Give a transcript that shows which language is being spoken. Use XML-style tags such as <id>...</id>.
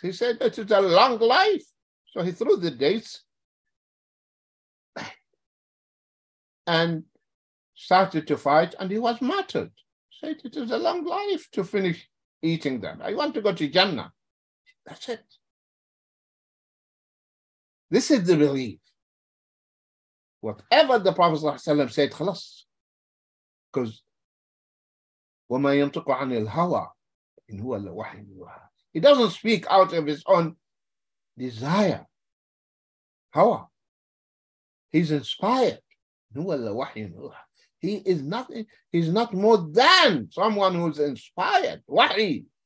<en>He said, it is a long life. So he threw the dates and started to fight, and he was martyred. He said, it is a long life to finish eating them. I want to go to Jannah. That's it. This is the belief. Whatever the Prophet ﷺ said, خلاص. Because</en> <ar>وَمَا يَنْتُقُ عَنِ الْهَوَىٰ إِنْ هُوَ الْوَحِيُّ يُوحَىٰ.</ar> <en>He doesn't speak out of his own desire. Hawa. He's inspired.</en> <ar>هُوَ الْوَحِيُّ يُوحَىٰ.</ar> <en>He is nothing. He's not more than someone who's inspired.</en> <ar>وَحِي.</ar>